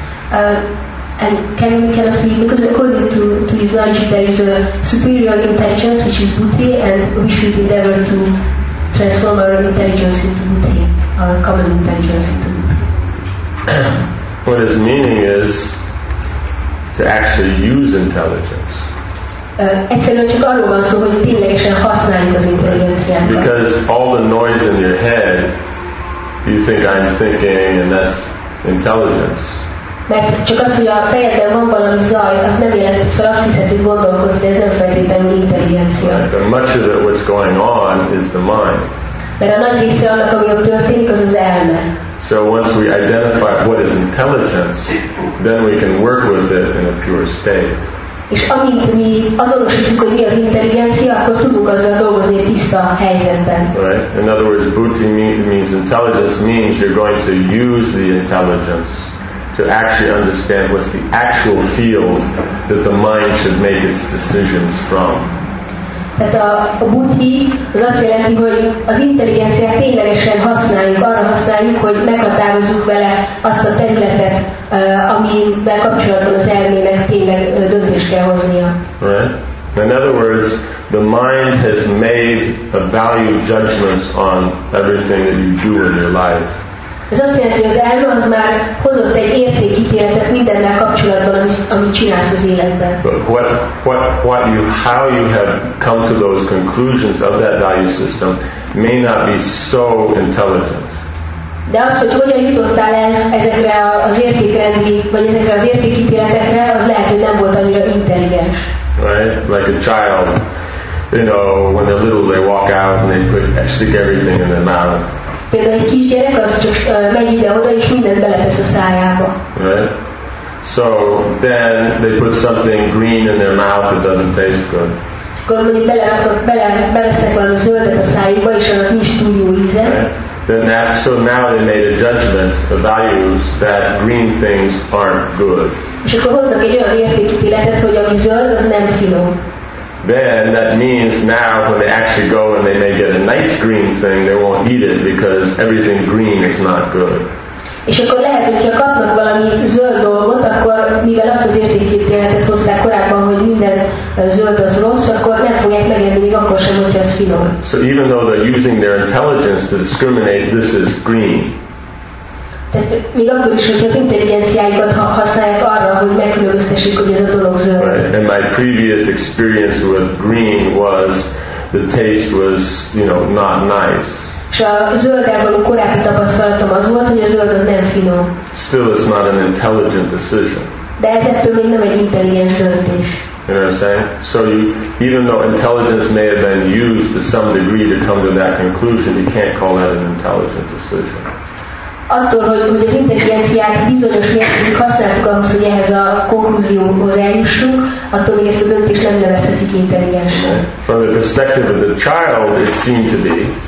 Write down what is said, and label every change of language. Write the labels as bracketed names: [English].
[English] Because according to his knowledge, there is a superior intelligence which is Buddhi, and we should endeavor to transform our intelligence into Buddhi, our common intelligence into Buddhi. What his meaning is to actually use intelligence. [Hungarian] Egyszerűen csak arról van szó, hogy ténylegesen használjuk az intelligenciát. [English] Because all the noise in your head, you think I'm thinking, and that's intelligence. [Hungarian] Mert csak az, hogy a fejedben van valami zaj, az nem jelent, szóval azt hiszed, hogy gondolkozz, de ez nem feltétlenül intelligencia. [English] But much of it, what's going on, is the mind. [Hungarian] Mert a nagy része annak, ami ott történik, az az elme. [English] So once we identify what is intelligence, then we can work with it in a pure state. [Hungarian] És amint mi azonosítjuk, hogy mi az intelligencia, akkor tudunk azzal dolgozni tiszta helyzetben. [English] Right. In other words, Buddhi means intelligence means you're going to use the intelligence to actually understand what's the actual field that the mind should make its decisions from. [Hungarian] Tehát a Buddhi az azt jelenti, hogy az intelligenciát ténylegesen használjuk, arra használjuk, hogy meghatározzuk vele azt a területet, amivel kapcsolatban az elmének tényleg döntés kell hoznia. [English] Right. In other words, the mind has made a value judgment on everything that you do in your life. [Hungarian] Ez azt jelenti, hogy az elme az már hozott egy értékítéletet mindennel kapcsolatban, amit csinálsz az életben. [English] But how you have come to those conclusions of that value system may not be so intelligent. [Hungarian] De az, hogy hogyan jutottál el ezekre az értékrendi, vagy ezekre az értékítéletekre, az lehet, hogy nem volt annyira intelligens. [English] Right? Like a child. You know, when they're little, they walk out and they stick everything in their mouth. [Hungarian] Például egy kisgyerek az csak megy ide-oda, és mindent beletesz a szájába. [English] Right. So then they put something green in their mouth that doesn't taste good. [Hungarian] Akkor mondjuk beleszek valami zöldet a szájába, és annak nincs túl jó íze. [English] So now they made a judgment, the values, that green things aren't good. [Hungarian] És akkor hoznak egy olyan értékítéletet, hogy ami zöld, az nem finom. [English] Then that means now when they actually go and they may get a nice green thing, they won't eat it because everything green is not good. [Hungarian] És akkor lehet, hogyha kapnak valami zöld dolgot, akkor mivel azt az értékítéletet hozták korábban, hogy minden zöld az rossz, akkor nem fogják megenni még akkor sem, hogyha ez finom. [English] So even though they're using their intelligence to discriminate, this is green. [Hungarian] Tehát még akkor is, hogy az intelligenciáikat használják arra, hogy megkülönböztessék, hogy ez a dolog zöld. [English] Right. And my previous experience with green was the taste was, you know, not nice. [Hungarian] És a zölddel való korábbi tapasztalatom az volt, hogy a zöld az nem finom. [English] Still it's not an intelligent decision. [Hungarian] De ez ettől még nem egy intelligens döntés. [English] You know what I'm saying? So you, even though intelligence may have been used to some degree to come to that conclusion, you can't call that an intelligent decision. [Hungarian] Attól, hogy az intelligenciát bizonyos mértékig használtuk ahhoz, hogy ehhez a konklúzióhoz eljussunk, attól még ezt a döntést nem nevezhetjük intelligensnek. [English] From the perspective of the child, it seemed to be.